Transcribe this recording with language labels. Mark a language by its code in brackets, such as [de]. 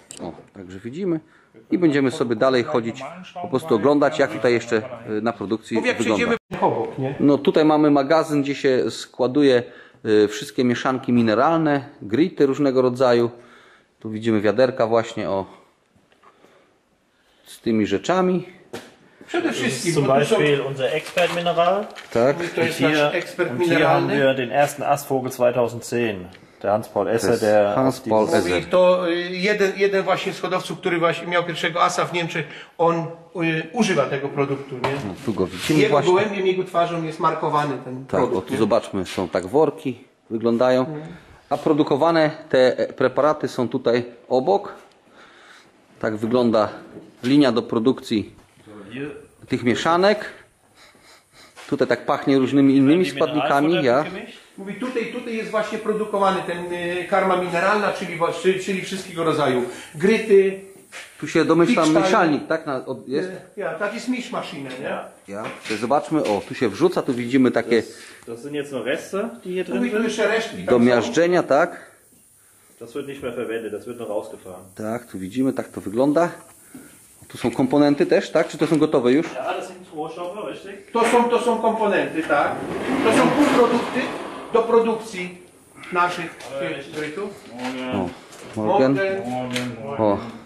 [pl] O, także widzimy. I będziemy sobie dalej chodzić, po prostu oglądać, jak tutaj jeszcze na produkcji wygląda. No tutaj mamy magazyn, gdzie się składuje wszystkie mieszanki mineralne, grity różnego rodzaju. Tu widzimy wiaderka właśnie o z tymi rzeczami. Przede wszystkim [de] zum Beispiel unser Expert Mineral. [pl] Tak, to jest nasz Expert Mineral. [de] Hier haben wir den ersten Astvogel 2010. [pl] Hans-Paul Esse, to jeden właśnie z hodowców, który właśnie miał pierwszego asa w Niemczech, on używa tego produktu, nie? No, tu go widzimy. Jego gołębiem, jego twarzą jest markowany ten produkt. Tak, o, tu zobaczmy, są tak worki, wyglądają. A produkowane te preparaty są tutaj obok. Tak wygląda linia do produkcji tych mieszanek. Tutaj tak pachnie różnymi innymi składnikami. [de] Ja. [pl] Mówi, tutaj jest właśnie produkowany ten karma mineralna, czyli wszystkiego rodzaju gryty. Tu się domyślam, mieszalnik, tak? Jest? Ja, tak jest misz maszynę, nie? Ja, to zobaczmy, o, tu się wrzuca, tu widzimy takie. To są nieco resty, [de] die hier drin. [pl] Mówi, tu jeszcze resztki. Do miażdżenia, tak? [de] Das wird nicht mehr verwendet, das wird noch rausgefahren. [pl] Tak, tu widzimy, tak to wygląda. Tu są komponenty też, tak? Czy to są gotowe już? Ja, to są tłoszowe, właśnie. To są komponenty, tak? To są półprodukty do produkcji naszych grytów. Morgen. O.